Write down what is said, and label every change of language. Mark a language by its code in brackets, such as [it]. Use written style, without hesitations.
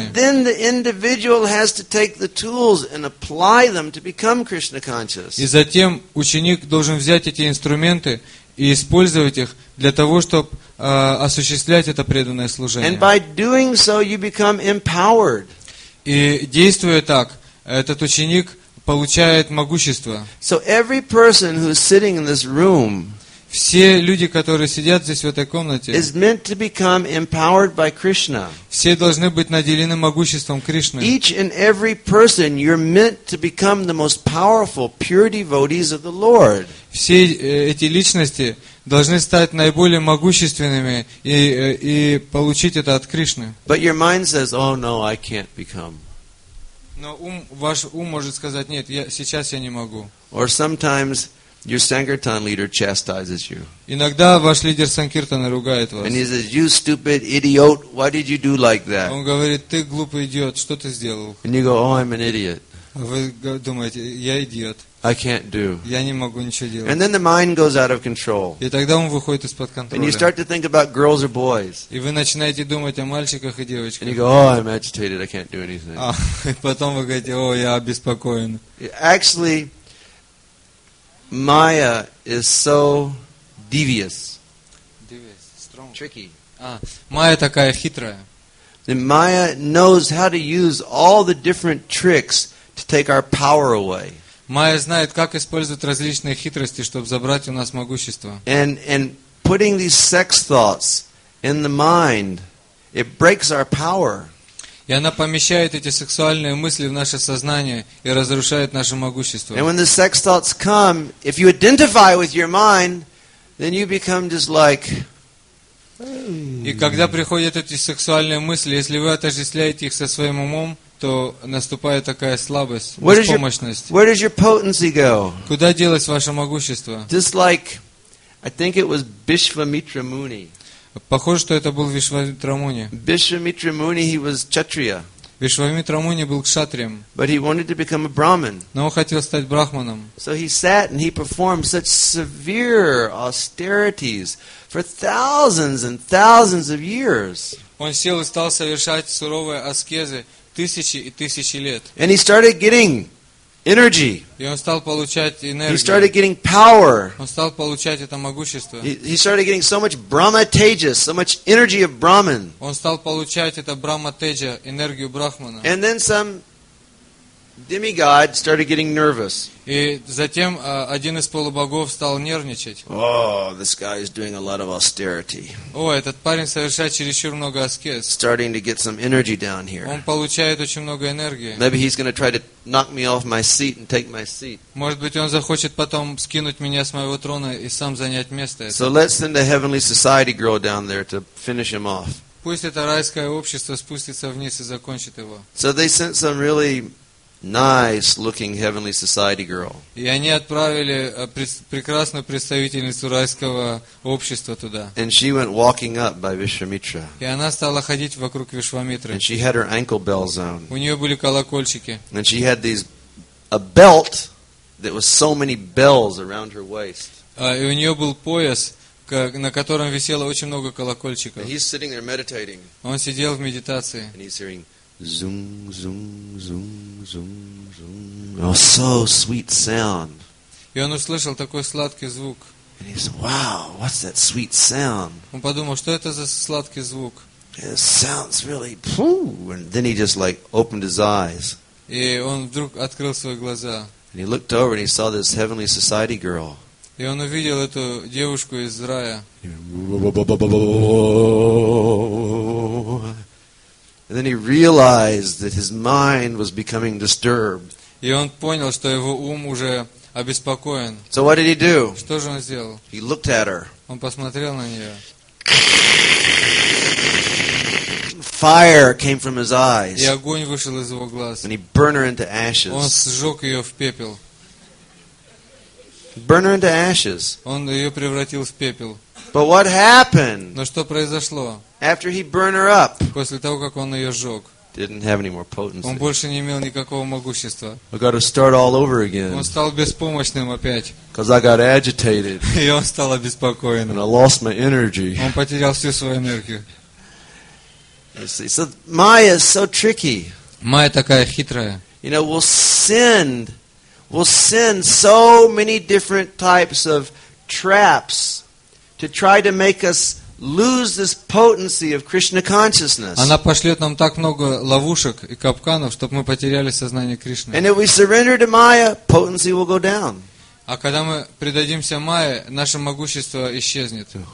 [en] But then the individual has to take the tools and apply them to become Krishna conscious. [ru] И затем ученик должен взять эти инструменты и использовать их для того, чтобы осуществлять это преданное служение. [en] And by doing so, you become empowered. [ru] И действуя так, этот ученик получает могущество. [en] So every person who is sitting in this room, [ru] все люди, которые сидят здесь в этой комнате, [en] is meant to become empowered by Krishna. [ru] Все должны быть наделены могуществом Кришны. [en] Each and every person, you're meant to become the most powerful pure devotees of the Lord. [ru] Все эти личности должны стать наиболее могущественными и получить это от Кришны. [en] But your mind says, "Oh no, I can't become." [ru] Но ум, ваш ум может сказать: нет, я, сейчас я не могу. [en] Or sometimes your sankirtan leader chastises you. [ru] Иногда ваш лидер санкиртана ругает вас. [en] And he says, "You stupid idiot, why did you do like that?" [ru] Он говорит: ты глупый идиот, что ты сделал? [en] And you go, "Oh, I'm an idiot." [ru] А вы думаете: я идиот. [en] I can't do. [ru] Я не могу ничего делать. [en] And then the mind goes out of control. [ru] И тогда ум выходит из-под контроля. [en] And you start to think about girls or boys. [ru] И вы начинаете думать о мальчиках и девочках. [en] And you go, "Oh, I'm agitated. I can't do anything." [ru] А потом вы говорите: о, я обеспокоен. [en] Actually, Maya is so devious. Devious, strong, tricky. [ru] Maya такая хитрая. [en] The Maya knows how to use all the different tricks to take our power away. [ru] Maya знает, как использовать различные хитрости, чтобы забрать у нас могущество. [en] And putting these sex thoughts in the mind, it breaks our power. [ru] И она помещает эти сексуальные мысли в наше сознание и разрушает наше могущество. [en] And when the sex thoughts come, if you identify with your mind, then you become just like... [ru] И когда приходят эти сексуальные мысли, если вы отождествляете их со своим умом, то наступает такая слабость, беспомощность. [en] Where does your potency go? [ru] Куда делось ваше могущество? [en] Just like, I think it was Bishvamitra Muni. [ru] Похоже, что это был Вишвамитра Муни. [en] Bishvamitra Muni, he was Kshatriya. [ru] Вишвамитра Муни был кшатрием. [en] But he wanted to become a Brahmin. [ru] Но он хотел стать брахманом. [en] So he sat and he performed such severe austerities for thousands and thousands of years. [ru] Он сел и стал совершать суровые аскезы тысячи и тысячи лет. [en] And he started getting energy. [ru] И он стал получать энергию. [en] He started getting power. [ru] Он стал получать это могущество. [en] He started getting so much Brahma Tejas, so much energy of Brahman. [ru] Он стал получать это Брахма Теджа, энергию брахмана. [en] And then some demigod started getting nervous. [ru] И затем один из полубогов стал нервничать. [en] Oh, this guy is doing a lot of austerity. [ru] О, этот парень совершает чересчур много аскез. [en] Starting to get some energy down here. [ru] Он получает очень много энергии. [en] Maybe he's going to try to knock me off my seat and take my seat. [ru] Может быть, он захочет потом скинуть меня с моего трона и сам занять место. [en] So let's send a heavenly society girl down there to finish him off. [ru] Пусть это райское общество спустится вниз и закончит его. [en] So they sent some really nice-looking heavenly society girl. [ru] И они отправили прекрасную представительницу райского общества туда. [en] And she went walking up by Vishwamitra. [ru] И она стала ходить вокруг Вишвамитры. [en] And she had her ankle bells on. [ru] У нее были колокольчики. [en] And she had these a belt that was so many bells around her waist. [ru] И у нее был пояс, на котором висело очень много колокольчиков. [en] He's sitting there meditating. [ru] Он сидел в медитации. [en] And he's hearing zoom, zoom, zoom. Zoom, zoom. Oh, so sweet sound. [ru] И он услышал такой сладкий звук. [en] And he said, "Wow, what's that sweet sound?" [ru] Он подумал, что это за сладкий звук. [en] It sounds really poo. And then he just like opened his eyes. [ru] И он вдруг открыл свои глаза. [en] And he looked over and he saw this heavenly society girl. [ru] И он увидел эту девушку из рая. [en] And then he realized that his mind was becoming disturbed. [ru] И он понял, что его ум уже обеспокоен. [en] So what did he do? [ru] Что же он сделал? [en] He looked at her. [ru] Он посмотрел на нее. [en] Fire came from his eyes. [ru] И огонь вышел из его глаз. [en] And he burned her into ashes. [ru] Он сжег ее в пепел. [en] Burned her into ashes. [ru] Он ее превратил в пепел. [en] But what happened? [ru] Но что произошло? [en] After he burned her up. [ru] После того, как он ее сжег. [en] Didn't have any more potency. [ru] Он больше не имел никакого могущества. [en] I got to start all over again. [ru] Он стал беспомощным опять. [en] Because I got agitated. [ru] И он стал обеспокоенным. [en] And I lost my energy. [ru] Он потерял всю свою энергию. [en] You see, so Maya is so tricky. [ru] Майя такая хитрая. [en] You know, we'll send so many different types of traps to try to make us lose this potency of Krishna consciousness. [ru] Она пошлет нам так много ловушек и капканов, чтобы мы потеряли сознание Кришны. [en] And if we surrender to Maya, potency will go down. [ru] А когда мы предадимся Майе, наше могущество исчезнет.